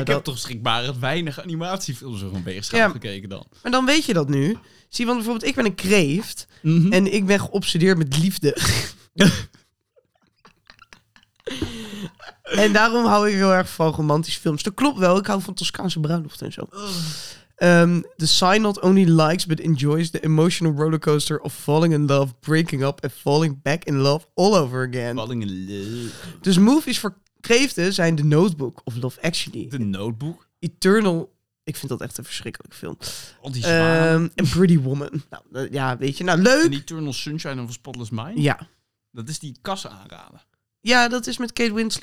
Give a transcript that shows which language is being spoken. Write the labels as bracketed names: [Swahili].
[Dutch] ik heb toch schrikbarend weinig animatiefilms van weegschalen gekeken dan. Maar dan weet je dat nu. Zie, want bijvoorbeeld ik ben een kreeft en ik ben geobsedeerd met liefde. En daarom hou ik heel erg van romantische films. Dat klopt wel, ik hou van Toscaanse bruiloft en zo. [English] The sign not only likes but enjoys the emotional rollercoaster of falling in love, breaking up and falling back in love all over again. Falling in love. [Dutch] Dus movies voor kreeften zijn The Notebook of Love Actually. The Notebook? Eternal, ik vind dat echt een verschrikkelijk film. Al die zwaar. En Pretty Woman. Nou, ja, weet je, nou leuk. En Eternal Sunshine of a Spotless Mind? Ja. Dat is die kassen aanraden. Ja, dat is met Kate Winslet.